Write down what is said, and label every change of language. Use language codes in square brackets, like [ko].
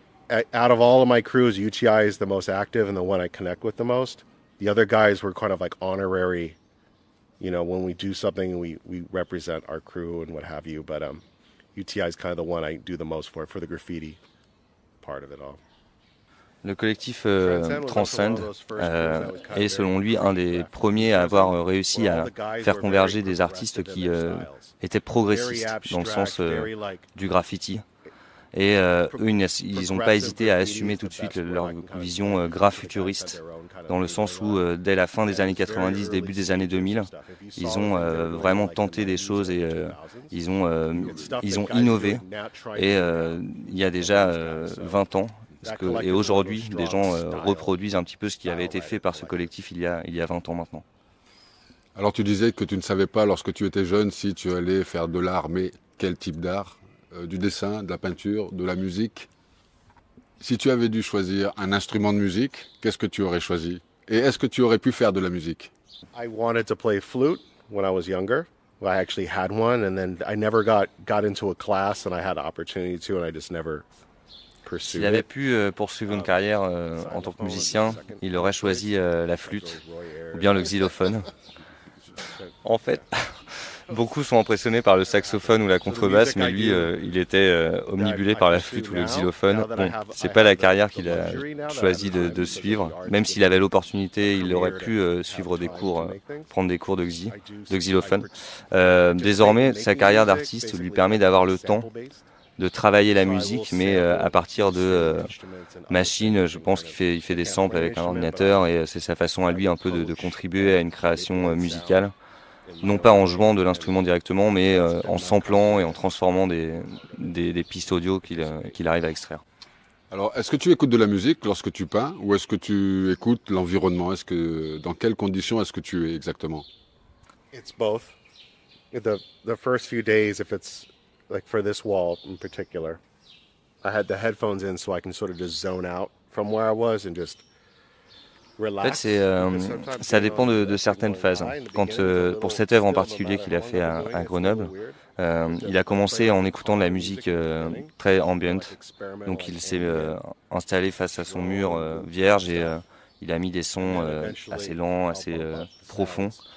[en] Out of all of my crews, UTI is the most active and the one I connect with the most. The other guys were kind of like honorary. You know, when we do something, we represent our crew and what have you. But UTI is kind of the one I do the most for the graffiti part of it all. [fr] Le collectif Transcend est, selon lui, un des premiers à avoir réussi à faire converger des artistes qui étaient progressistes dans le sens du graffiti. Et eux, ils n'ont pas hésité à assumer tout de suite leur vision graffuturiste, dans le sens où, dès la fin des années 90, début des années 2000, ils ont vraiment tenté des choses et ils ont innové. Et il y a déjà 20 ans, et aujourd'hui, des gens reproduisent un petit peu ce qui avait été fait par ce collectif il y a 20 ans maintenant. Alors tu disais que tu ne savais pas, lorsque tu étais jeune, si tu allais faire de l'art, mais quel type d'art ? Du dessin, de la peinture, de la musique. Si tu avais dû choisir un instrument de musique, qu'est-ce que tu aurais choisi ? Et est-ce que tu aurais pu faire de la musique ? [en] I wanted to play flute when I was younger. I actually had one and then I never got into a class and I had an opportunity to and I just never pursued it. [fr] S'il avait pu poursuivre une carrière en tant que musicien, il aurait choisi la flûte ou bien le xylophone. En fait, beaucoup sont impressionnés par le saxophone ou la contrebasse, mais lui, il était omnibulé par la flûte ou le xylophone. Bon, c'est pas la carrière qu'il a choisi de suivre. Même s'il avait l'opportunité, il aurait pu suivre des cours, prendre des cours de xylophone. Désormais, sa carrière d'artiste lui permet d'avoir le temps de travailler la musique, mais à partir de machines, je pense qu'il fait des samples avec un ordinateur et c'est sa façon à lui un peu de contribuer à une création musicale. Non pas en jouant de l'instrument directement, mais en samplant et en transformant des pistes audio qu'il arrive à extraire. Alors, est-ce que tu écoutes de la musique lorsque tu peins ou est-ce que tu écoutes l'environnement ? Est-ce que, dans quelles conditions est-ce que tu es exactement ? [en] It's both. The first few days, if it's like for this wall in particular, I had the headphones in so I can sort of just zone out from where I was and just... [fr] En fait, ça dépend de certaines phases. Pour cette œuvre en particulier qu'il a fait à Grenoble, Il a commencé en écoutant de la musique très ambient. Donc il s'est installé face à son mur vierge et il a mis des sons assez lents, assez profonds.